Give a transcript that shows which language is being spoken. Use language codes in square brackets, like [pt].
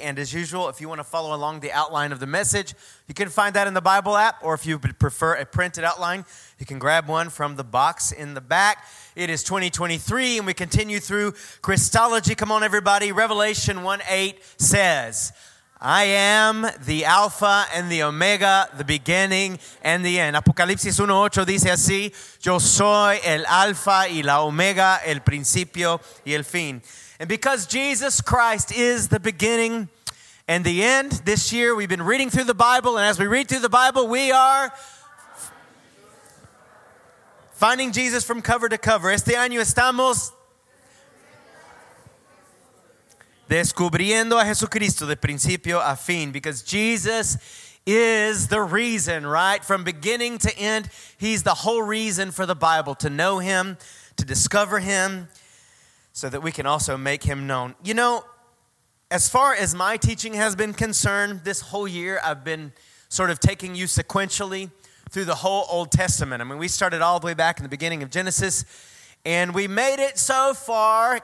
[en] And as usual, if you want to follow along the outline of the message, you can find that in the Bible app, or if you prefer a printed outline, you can grab one from the box in the back. It is 2023, and we continue through Christology. Come on, everybody. Revelation 1:8 says, I am the Alpha and the Omega, the beginning and the end. [es] Apocalipsis 1:8 dice así, yo soy el Alpha y la Omega, el principio y el fin. [en] And because Jesus Christ is the beginning and the end, this year we've been reading through the Bible. And as we read through the Bible, we are finding Jesus from cover to cover. [es] Este año estamos descubriendo a Jesucristo de principio a fin. [en] Because Jesus is the reason, right? From beginning to end, he's the whole reason for the Bible. To know him, to discover him, so that we can also make him known. You know, as far as my teaching has been concerned, this whole year I've been sort of taking you sequentially through the whole Old Testament. I mean, we started all the way back in the beginning of Genesis, and we made it so far.